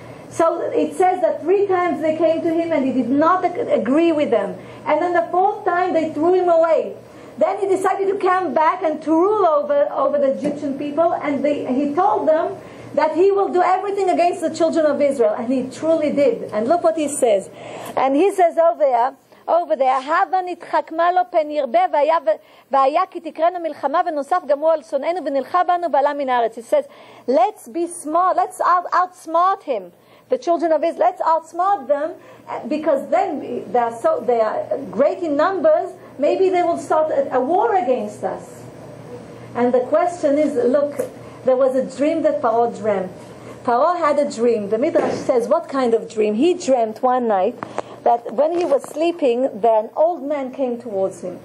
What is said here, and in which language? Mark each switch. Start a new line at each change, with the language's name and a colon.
English: So it says that three times they came to him and he did not agree with them. And then the fourth time they threw him away. Then he decided to come back and to rule over the Egyptian people. And he told them that he will do everything against the children of Israel. And he truly did. And look what he says.
Hebrew: And he says over there, הבה נתחכמה לו פן ירבה והיה כי תקרנו מלחמה ונוסף גמור על שונאינו ונלחה בנו ועלה מן הארץ.
English: He says, let's be smart, let's outsmart him. The children of Israel, let's outsmart them, because then they are great in numbers, maybe they will start a war against us. And the question is, look, there was a dream that Pharaoh dreamt. Pharaoh had a dream. The Midrash says, what kind of dream? He dreamt one night that when he was sleeping, then an old man came towards him.